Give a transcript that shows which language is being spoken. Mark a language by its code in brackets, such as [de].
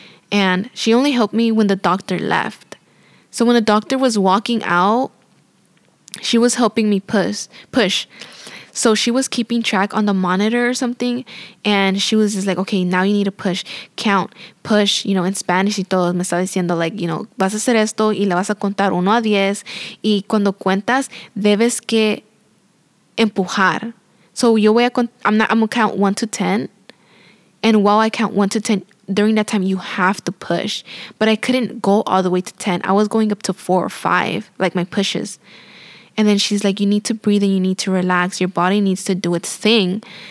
[en] And she only helped me when the doctor left. So when the doctor was walking out, she was helping me push. So she was keeping track on the monitor or something. And she was just like, okay, now you need to push. Count, push, you know, in Spanish [es] y todo. Me está diciendo [en] like, you know, [es] vas a hacer esto y le vas a contar uno a diez. Y cuando cuentas, debes que empujar. [en] So [es] yo voy a [en] I'm going to count 1 to 10. And while I count 1 to 10, during that time, you have to push. But I couldn't go all the way to 10. I was going up to 4 or 5, like my pushes. And then she's like, you need to breathe and you need to relax. Your body needs to do its thing.